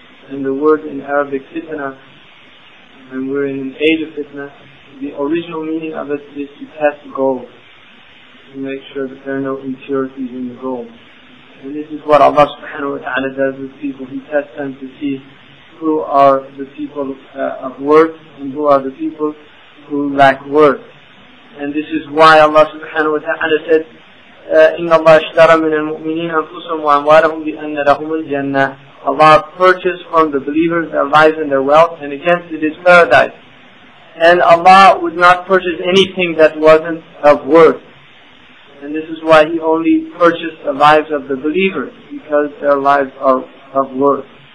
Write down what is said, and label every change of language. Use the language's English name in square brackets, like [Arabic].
[English] And the word in Arabic, fitna, and we're in an age of fitna, the original meaning of it is to test the gold, to make sure that there are no impurities in the gold. And this is what Allah subhanahu wa ta'ala does with people. He tests them to see who are the people of worth and who are the people who lack worth. And this is why Allah subhanahu wa ta'ala said, [Arabic] إِنَّ اللَّهَ اشْتَرَ مِنَ الْمُؤْمِنِينَ أَنفُسَهُمْ وَأَمْوَالَهُمْ بِأَنَّ لَهُمُ الْجَنَّةِ. [English] Allah purchased from the believers their lives and their wealth, and against it is paradise. And Allah would not purchase anything that wasn't of worth. And this is why He only purchased the lives of the believers, because their lives are of worth.